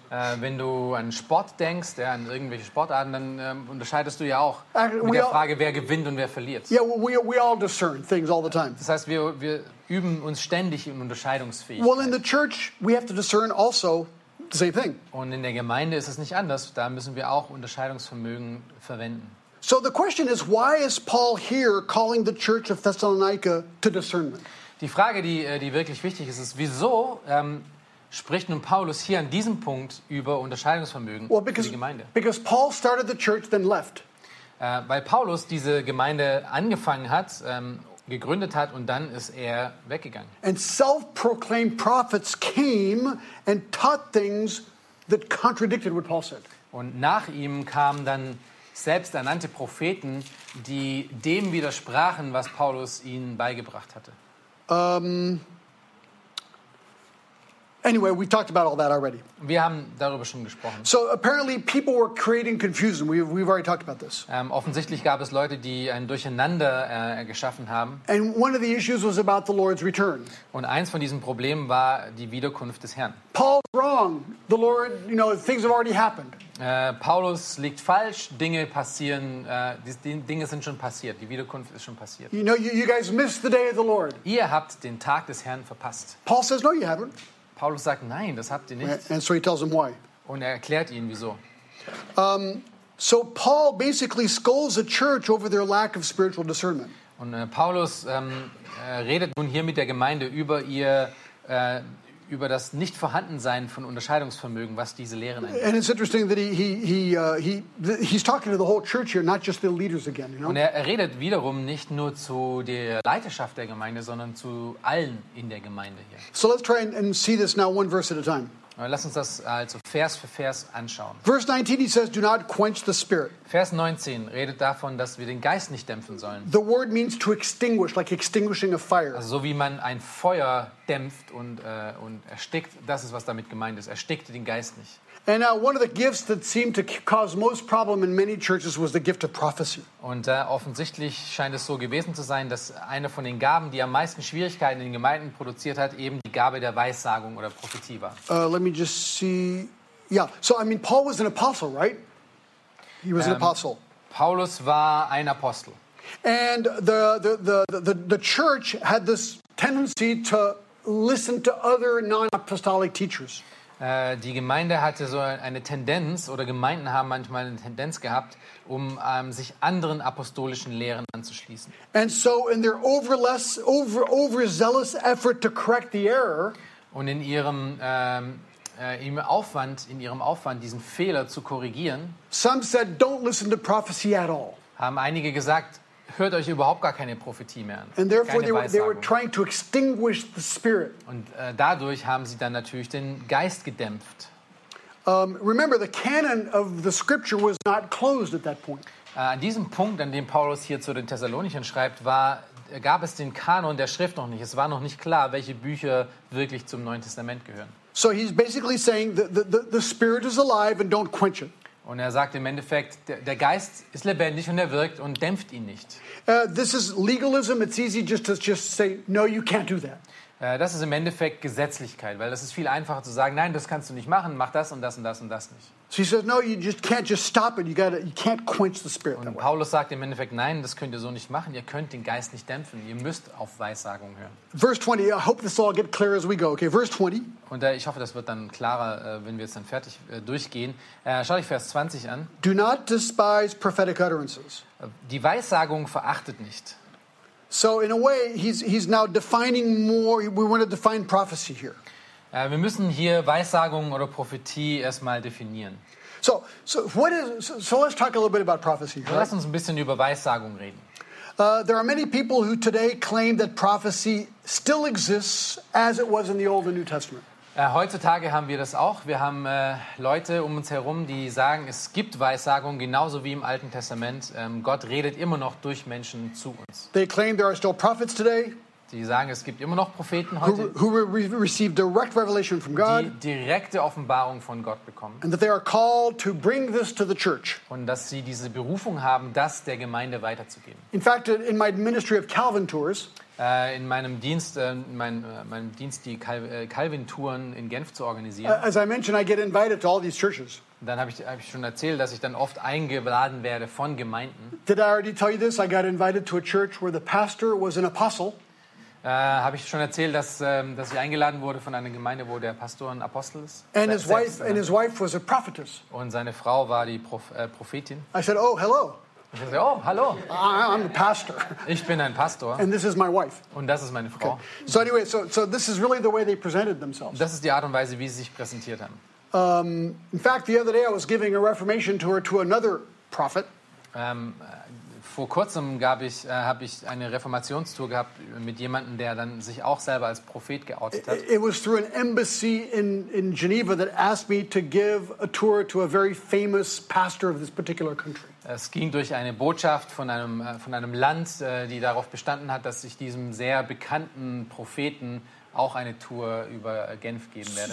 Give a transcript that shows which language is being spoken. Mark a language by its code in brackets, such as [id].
[de] Wenn du an Sport denkst, ja, an irgendwelche Sportarten, dann unterscheidest du ja auch mit der Frage, wer gewinnt und wer verliert. [en] Yeah, we all discern things all the time. [de] Das heißt, wir üben uns ständig in Unterscheidungsfähigkeit. [en] Well, in the church, we have to discern also the same thing. [de] Und in der Gemeinde ist es nicht anders. Da müssen wir auch Unterscheidungsvermögen verwenden. [en] So the question is, why is Paul here calling the church of Thessalonica to discernment? [de] Die Frage, die wirklich wichtig ist, ist, wieso spricht nun Paulus hier an diesem Punkt über Unterscheidungsvermögen für die Gemeinde? [en] Because Paul started the church, then left. [de] Weil Paulus diese Gemeinde angefangen hat, gegründet hat, und dann ist er weggegangen. [en] And self-proclaimed prophets came and taught things that contradicted what Paul said. [de] Und nach ihm kamen dann selbsternannte Propheten, die dem widersprachen, was Paulus ihnen beigebracht hatte. [en] Anyway, we talked about all that already. [de] Wir haben darüber schon gesprochen. [en] So apparently people were creating confusion. We've already talked about this. [de] Offensichtlich gab es Leute, die ein Durcheinander geschaffen haben. [en] And one of the issues was about the Lord's return. [de] Und eins von diesen Problemen war die Wiederkunft des Herrn. [en] Paul's wrong. The Lord, you know, things have already happened. [de] Paulus liegt falsch. Dinge passieren. Dinge sind schon passiert. Die Wiederkunft ist schon passiert. [en] You know, you guys missed the day of the Lord. [de] Ihr habt den Tag des Herrn verpasst. [en] Paul says, no, you haven't. [de] Paulus sagt, nein, das habt ihr nicht. [en] And so he tells him why. [de] Und er erklärt ihnen, wieso. [en] So Paul basically scolds the church over their lack of spiritual discernment. [de] Und Paulus redet nun hier mit der Gemeinde über ihr über das Nichtvorhandensein von Unterscheidungsvermögen, was diese Lehren angeht. [en] And it's interesting that he's talking to the whole church here, not just the leaders again. You know? [de] Und er redet wiederum nicht nur zu der Leiterschaft der Gemeinde, sondern zu allen in der Gemeinde hier. [en] So let's try and see this now one verse at a time. [de] Lass uns das also Vers für Vers anschauen. [en] Verse 19, he says, do not quench the spirit. [de] Vers 19 redet davon, dass wir den Geist nicht dämpfen sollen. [en] The word means to extinguish, like extinguishing a fire. [de] Also so wie man ein Feuer dämpft und erstickt, das ist, was damit gemeint ist. Erstickt den Geist nicht. [en] And one of the gifts that seemed to cause most problem in many churches was the gift of prophecy. [de] Und offensichtlich scheint es so gewesen zu sein, dass eine von den Gaben, die am meisten Schwierigkeiten in den Gemeinden produziert hat, eben die Gabe der Weissagung oder Prophetie war. [en] Let me just see. Yeah, so I mean Paul was an apostle, right? He was an apostle. [de] Paulus war ein Apostel. [en] And the church had this tendency to listen to other non-apostolic teachers. [de] Die Gemeinde hatte so eine Tendenz, oder Gemeinden haben manchmal eine Tendenz gehabt, um sich anderen apostolischen Lehren anzuschließen. [en] And so in their overzealous effort to correct the error, [de] und in ihrem im Aufwand, in ihrem Aufwand, diesen Fehler zu korrigieren. [en] Some said, don't listen to prophecy at all. [de] Haben einige gesagt, hört euch überhaupt gar keine Prophetie mehr an. [en] And therefore they were trying to extinguish the spirit. [de] Und dadurch haben sie dann natürlich den Geist gedämpft. [en] Remember, the canon of the scripture was not closed at that point. [de] An diesem Punkt, an dem Paulus hier zu den Thessalonichern schreibt, gab es den Kanon der Schrift noch nicht. Es war noch nicht klar, welche Bücher wirklich zum Neuen Testament gehören. [en] So he's basically saying the spirit is alive and don't quench it. [de] Und er sagt im Endeffekt, der Geist ist lebendig und er wirkt und dämpft ihn nicht. [en] This is legalism. It's easy just to say no, you can't do that. [de] Das ist im Endeffekt Gesetzlichkeit, weil das ist viel einfacher zu sagen, nein, das kannst du nicht machen, mach das und das und das und das nicht. [en] So he says, no, you just can't just stop it. You can't quench the spirit. [de] Und Paulus sagt im Endeffekt, nein, das könnt ihr so nicht machen. Ihr könnt den Geist nicht dämpfen. Ihr müsst auf Weissagung hören. [en] Verse 20. I hope this all get clear as we go. Okay, verse 20. [de] Und ich hoffe, das wird dann klarer, wenn wir jetzt dann fertig durchgehen. Schau dich Vers 20 an. [en] Do not despise prophetic utterances. [de] Die Weissagung verachtet nicht. [en] So in a way, he's now defining more. We want to define prophecy here. [de] Wir müssen hier Weissagung oder Prophetie erstmal definieren. [en] So let's talk a little bit about prophecy. Right? [de] Lass uns ein bisschen über Weissagung reden. [en] There are many people who today claim that prophecy still exists as it was in the Old and New Testament. [de] Heutzutage haben wir das auch. Wir haben Leute um uns herum, die sagen, es gibt Weissagung, genauso wie im Alten Testament. Gott redet immer noch durch Menschen zu uns. [en] They claim there are still prophets today. [de] Die sagen, es gibt immer noch Propheten heute, [en] who receive direct revelation from God, [de] die direkte Offenbarung von Gott bekommen, [en] and that they are called to bring this to the church, [de] und dass sie diese Berufung haben, das der Gemeinde weiterzugeben. [en] In fact, in my ministry of Calvin tours, [de] in meinem Dienst, meinem Dienst, die Calvin Touren in Genf zu organisieren, [en] as I mentioned, I get invited to all these churches. [de] Dann habe ich schon erzählt, dass ich dann oft eingeladen werde von Gemeinden. [en] Did I already tell you this? I got invited to a church where the pastor was an apostle. [de] Habe ich schon erzählt, dass ich eingeladen wurde von einer Gemeinde, wo der Pastor ein Apostel ist? [en] And his wife was a prophetess. [de] Und seine Frau war die Prophetin. [en] I said, oh, hello. [de] Ich sagte, oh, hallo. [en] I'm a pastor. [de] Ich bin ein Pastor. [en] And this is my wife. [de] Und das ist meine Frau. [en] Okay. So this is really the way they presented themselves. [de] Das ist die Art und Weise, wie sie sich präsentiert haben. [en] In fact, the other day I was giving a reformation tour to another prophet. [de] Vor kurzem habe ich eine Reformationstour gehabt mit jemandem, der dann sich auch selber als Prophet geoutet hat. [en] It was through an embassy in Geneva that asked me to give a tour to a very famous pastor of this particular country. [de] Es ging durch eine Botschaft von einem Land, die darauf bestanden hat, dass ich diesem sehr bekannten Propheten auch eine Tour über Genf geben werde.